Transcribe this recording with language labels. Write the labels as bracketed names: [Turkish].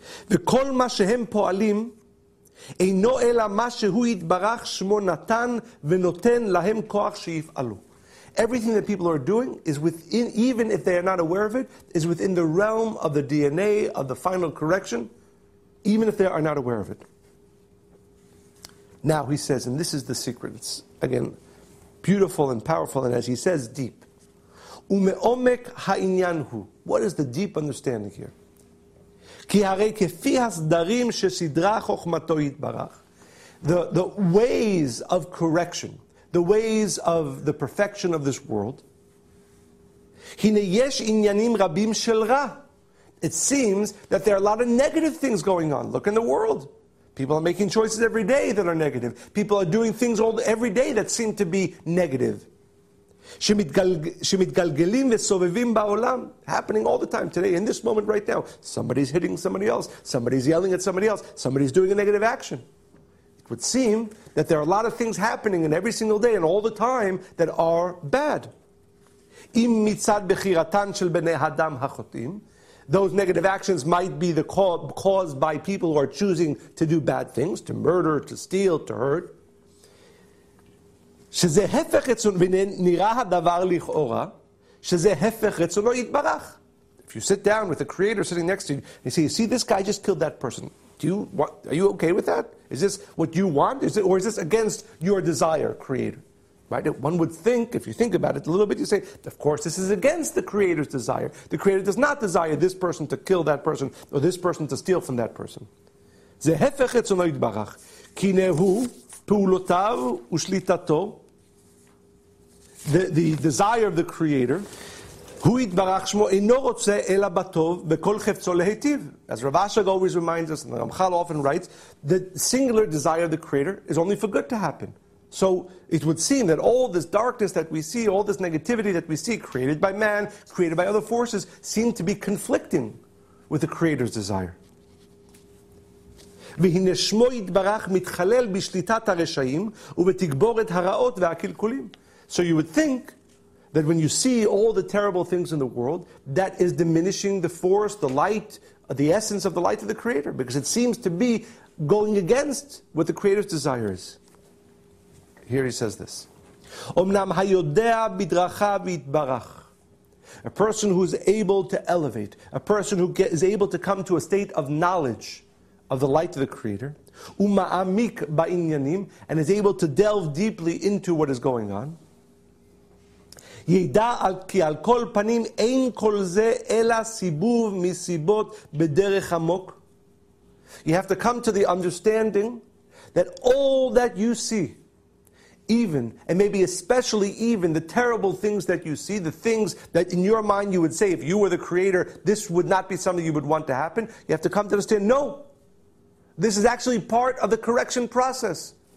[Hebrew] וכל מה שהם פועלים אינו אלא מה שהוא יתברך שמו נתן ונותן להם כוח שיפעלו. [English] Everything that people are doing is within, even if they are not aware of it, is within the realm of the DNA of the final correction, even if they are not aware of it. Now he says, and this is the secret, it's again beautiful and powerful, and as he says, deep. [Hebrew] ומעומק העניין הוא. [English] What is the deep understanding here? [Hebrew] כי הרי כפי הסדרים שסדרה חוכמתו יתברך. [English] The ways of correction, the ways of the perfection of this world. [Hebrew] הנה יש עניינים רבים של רע. [English] It seems that there are a lot of negative things going on. Look in the world. People are making choices every day that are negative. People are doing things all every day that seem to be negative. [Hebrew] שמתגלגלים וסובבים בעולם. [English] Happening all the time today, in this moment right now. Somebody's hitting somebody else. Somebody's yelling at somebody else. Somebody's doing a negative action. It would seem that there are a lot of things happening in every single day and all the time that are bad. [Hebrew] אם מצד בחירתן של בני אדם החוטאים, [English] those negative actions might be caused by people who are choosing to do bad things, to murder, to steal, to hurt. [Hebrew] שזה הפך רצונו, ונראה הדבר לכאורה, שזה הפך רצונו יתברך. [English] If you sit down with the Creator sitting next to you, and you say, you see, this guy just killed that person. Are you okay with that? Is this what you want? Or is this against your desire, Creator? Right? One would think, if you think about it a little bit, you say, of course, this is against the Creator's desire. The Creator does not desire this person to kill that person, or this person to steal from that person. [Hebrew] זה הפך רצונו יתברך, כי נהו פעולותיו ושליטתו, [English] the desire of the Creator, [Hebrew] הוא יתברך שמו אינו רוצה אלא בטוב וכל חפצו להיטיב. [English] As Rav Ashag always reminds us, and the Ramchal often writes, the singular desire of the Creator is only for good to happen. So it would seem that all this darkness that we see, all this negativity that we see, created by man, created by other forces, seem to be conflicting with the Creator's desire. [Hebrew] והנה שמו יתברך מתחלל בשליטת הרשעים ובתגבורת הרעות והקלקולים. [English] So you would think that when you see all the terrible things in the world, that is diminishing the force, the light, the essence of the light of the Creator, because it seems to be going against what the Creator's desire is. Here he says this. [Hebrew] אמנם היודע בדרכיו יתברך. [English] A person who is able to elevate, a person who is able to come to a state of knowledge of the light of the Creator, [Hebrew] ומעמיק בעניינים, [English] and is able to delve deeply into what is going on, [Hebrew] ידע כי על כל פנים אין כל זה אלא סיבוב מסיבות בדרך עמוק. [English] You have to come to the understanding that all that you see, even, and maybe especially even, the terrible things that you see, the things that in your mind you would say, if you were the Creator, this would not be something you would want to happen. You have to come to understand, no, this is actually part of the correction process.